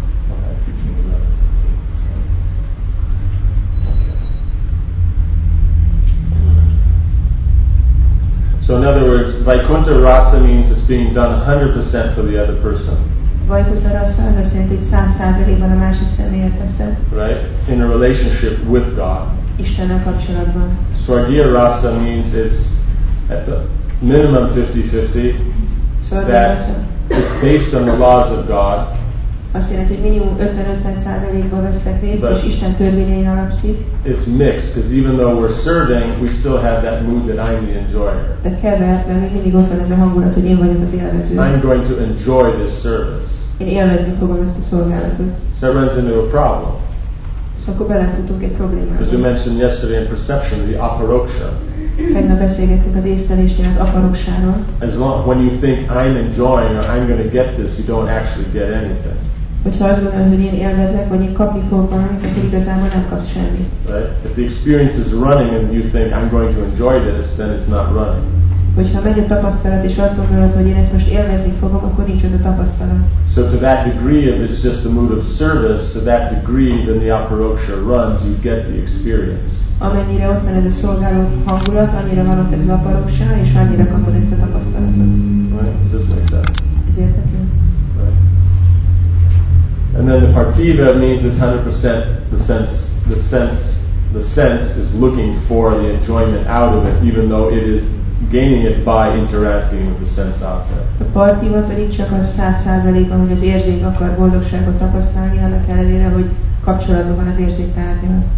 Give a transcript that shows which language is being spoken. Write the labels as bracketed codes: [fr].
[en] Okay, 11:30. So in other words, Vaikuntha Rasa means it's being done 100% for the other person. Vaikuntha Rasa, that's meant it's 100% for the other person. Right, in a relationship with God. [hu] Istennel kapcsolatban. [en] Swargiya Rasa means it's at the minimum 50-50, that it's based on the laws of God. [hu] Azt jelenti, hogy minimum 50-50%-ban vesztek részt, és Isten törvényein alapszik. [en] It's mixed, because even though we're serving, we still have that mood that I'm the enjoyer. [hu] De kevert, mert még mindig ott van ez a hangulat, hogy én vagyok az élvező. [en] I'm going to enjoy this service. [hu] Én élvezni fogom ezt a szolgálatot. [en] So it runs into a problem. [hu] Szóval akkor belefutunk egy problémába. [en] Because we mentioned yesterday in perception, the aparoksha. [hu] Tegnap beszélgettük az észlelésnél az aparoksáról. [en] As long when you think I'm enjoying or I'm going to get this, you don't actually get anything. [hu] Hogyha azt gondolom, hogy én élvezek, vagy én kapni fogok valamit, akkor igazából nem kapsz semmit. [en] Right? If the experience is running and you think I'm going to enjoy this, then it's not running. [hu] Hogyha megy a tapasztalat és azt gondolod, hogy én ezt most élvezni fogok, akkor nincs ott a tapasztalat. [en] So to that degree if it's just a mood of service, to that degree then the aparoksha runs, you get the experience. [hu] Amennyire ott van ez a szolgáló hangulat, annyira van ott ez a aparoksa, és annyira kapod ezt a tapasztalatot. [en] Right, this makes sense. Right. And then the partiva means it's 100% the sense is looking for the enjoyment out of it, even though it is gaining it by interacting with the sense object. [hu] A partiva pedig csak a 100%-ban, hogy az érzék akar boldogságot tapasztalni, annak ellenére, hogy kapcsolatban van az érzéktárgyal.